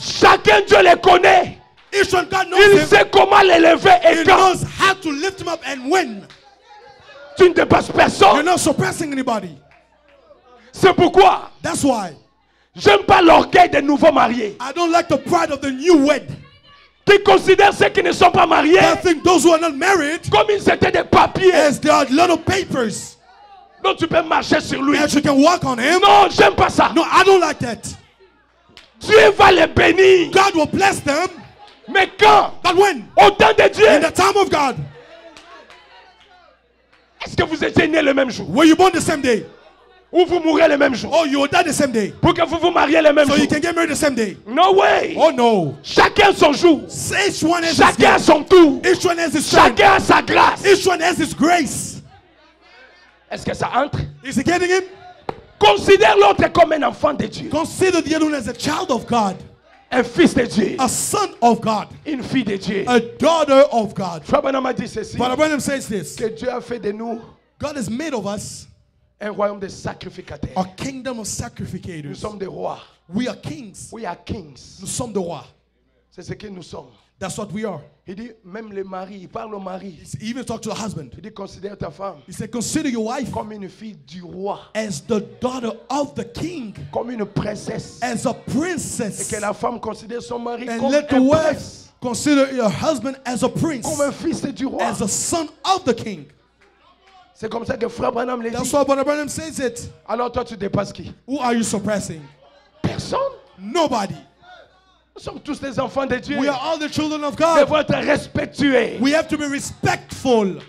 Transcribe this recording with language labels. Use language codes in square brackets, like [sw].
[fr] Chacun Dieu les connaît. [en] Each one God knows [fr] il sait comment l'élever et [en] he [fr] quand. [en] He knows how to lift him up and when. [fr] Tu ne dépasses personne. [en] You're not surpassing anybody. [fr] C'est pourquoi. [en] That's why. [fr] J'aime pas l'orgueil des nouveaux mariés. [en] I don't like the pride of the new wed. [fr] Qui considèrent ceux qui ne sont pas mariés. [en] I think those who are not married. [fr] Comme ils étaient des papiers. [en] Yes, they are little papers. [fr] Donc tu peux marcher sur lui. [en] Yes, you can walk on him. [fr] Non, j'aime pas ça. [en] No, I don't like that. [fr] Dieu va les bénir. [en] God will bless them. [fr] Mais quand? [en] But when? [fr] Au temps de Dieu. [en] In the time of God. [fr] Est-ce que vous étiez né le même jour? [en] Were you born the same day? [fr] Ou vous mourrez le même jour? [en] Oh, you will die the same day. [fr] Pour que vous vous mariez le même [en] so So you can get married the same day? No way. Oh no. [fr] Chacun son jour. [en] Each one has [fr] chacun [en] his [fr] son tour. [en] Each one has his [fr] chacun sa grâce. [en] Each one has his grace. [fr] Est-ce que ça entre? [en] Is he getting it? [fr] Considère l'autre comme un enfant de Dieu. [en] Consider the other one as a child of God. [fr] Un fils de Dieu. [en] A son of God. [fr] Une fille de Dieu. [en] A daughter of God. [fr] Frère dit ceci. [en] But Abraham says this. [fr] Que Dieu a fait de nous. [en] God has made of us. [fr] Un royaume de sacrificateurs. [en] A kingdom of sacrificators. [fr] Nous sommes des rois. [en] We are kings. We are kings. [fr] Nous sommes des rois. C'est ce que nous sommes. [en] That's what we are. [fr] Il dit même le mari, il parle au mari. [en] He even talked to the husband. [fr] Il dit considère ta femme. [en] He said consider your wife. [fr] Comme une fille du roi. [en] As the daughter of the king. [fr] Comme une princesse. [en] As a princess. [fr] Et que la femme considère son mari and comme un prince. [en] And let the wife consider her husband as a prince. [fr] Comme un fils du roi. [en] As a son of the king. [fr] C'est comme ça que frère Branham le dit. [en] That's what Brother Branham says it. [fr] Alors toi tu dépasses qui? [en] Who are you suppressing? [fr] Personne. [en] Nobody. [fr] Nous sommes tous les enfants de Dieu. [en] We are all the children of God. [fr] Devons être respectueux. [en] We have to be respectful.